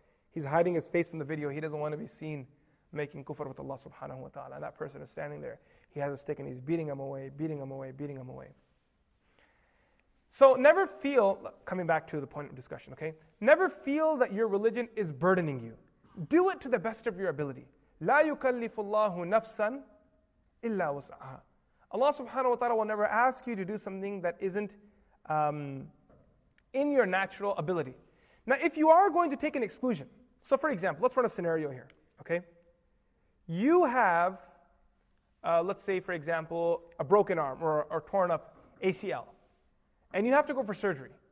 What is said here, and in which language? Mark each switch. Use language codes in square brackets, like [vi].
[en] He's hiding his face from the video. He doesn't want to be seen making kufr with Allah subhanahu wa ta'ala. And that person is standing there. He has a stick and he's beating him away, beating him away, beating him away. So never feel, coming back to the point of discussion, okay? Never feel that your religion is burdening you. Do it to the best of your ability. [ar] لا يكلف الله نفسا إلا وسعها. [en] Allah subhanahu wa ta'ala will never ask you to do something that isn't in your natural ability. Now, if you are going to take an exclusion, so for example, let's run a scenario here, okay? You have, let's say for example, a broken arm or torn up ACL, and you have to go for surgery.